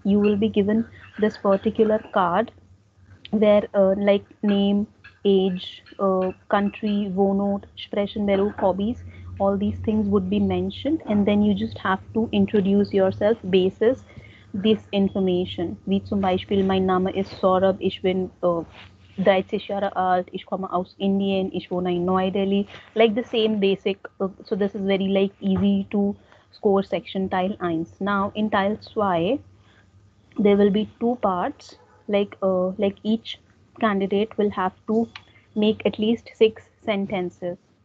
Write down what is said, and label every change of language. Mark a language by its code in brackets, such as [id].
[en] You will be given this particular card where like name, age, country, Wohnort, Sprechen, where hobbies. All these things would be mentioned, and then you just have to introduce yourself basis this information. [de] Wie zum Beispiel, mein Name ist Saurabh, ich bin 30 Jahre alt, ich komme aus Indien, ich wohne in Neu-Delhi. [en] Like the same basic, so this is very like easy to score section Teil 1. Now in Teil 2, there will be two parts, like each candidate will have to make at least six sentences.